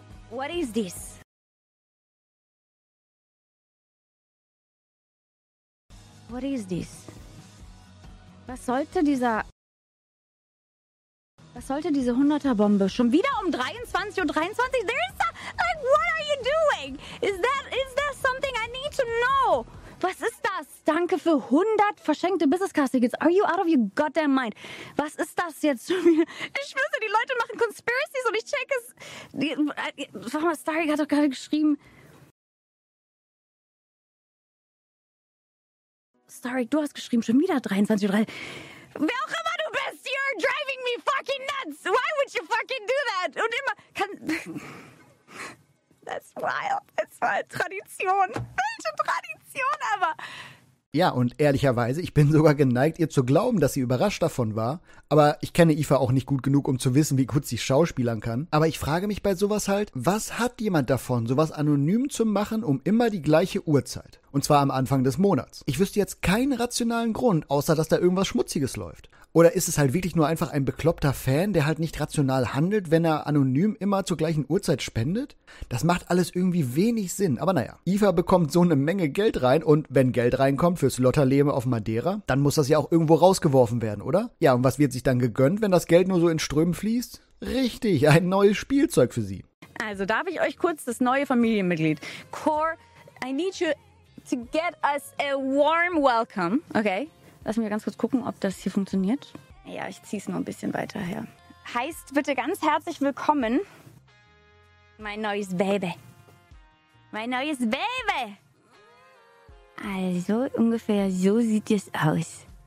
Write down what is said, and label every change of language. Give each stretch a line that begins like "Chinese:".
English: What is this? What is this?
German: Was sollte diese 100er Bombe schon wieder um 23.23 Uhr?
English: There is like, what are you doing? Is there something I need to know?
German: Was ist das? Danke für 100 verschenkte Business-Card-Tickets.
English: Are you out of your goddamn mind?
German: Was ist das jetzt? Ich wüsste, die Leute machen Conspiracies und ich check es. Sag mal, Starry hat doch gerade geschrieben. Starry, du hast geschrieben, schon wieder 23.30. Wer auch immer du bist,
English: you're driving me fucking nuts. Why would you fucking do that?
German: Und immer...
English: That's wild. That's wild. Tradition.
German: Welche Tradition? Ja, und ehrlicherweise, ich bin sogar geneigt, ihr zu glauben, dass sie überrascht davon war. Aber ich kenne IFA auch nicht gut genug, um zu wissen, wie gut sie schauspielern kann. Aber ich frage mich bei sowas halt, was hat jemand davon, sowas anonym zu machen, um immer die gleiche Uhrzeit? Und zwar am Anfang des Monats. Ich wüsste jetzt keinen rationalen Grund, außer dass da irgendwas Schmutziges läuft. Oder ist es halt wirklich nur einfach ein bekloppter Fan, der halt nicht rational handelt, wenn er anonym immer zur gleichen Uhrzeit spendet? Das macht alles irgendwie wenig Sinn. Aber naja, IFA bekommt so eine Menge Geld rein und wenn Geld reinkommt fürs Lotterleben auf Madeira, dann muss das ja auch irgendwo rausgeworfen werden, oder? Ja, und was wird sich dann gegönnt, wenn das Geld nur so in Strömen fließt? Richtig, ein neues Spielzeug für sie. Also darf ich euch kurz das neue Familienmitglied.
English: Core, I need you to get us a warm welcome, okay?
German: Lass mich ganz kurz gucken, ob das hier funktioniert. Ja, ich zieh's nur ein bisschen weiter her. Heißt bitte ganz herzlich willkommen, mein neues Baby. Mein neues Baby! Also, ungefähr so sieht es aus.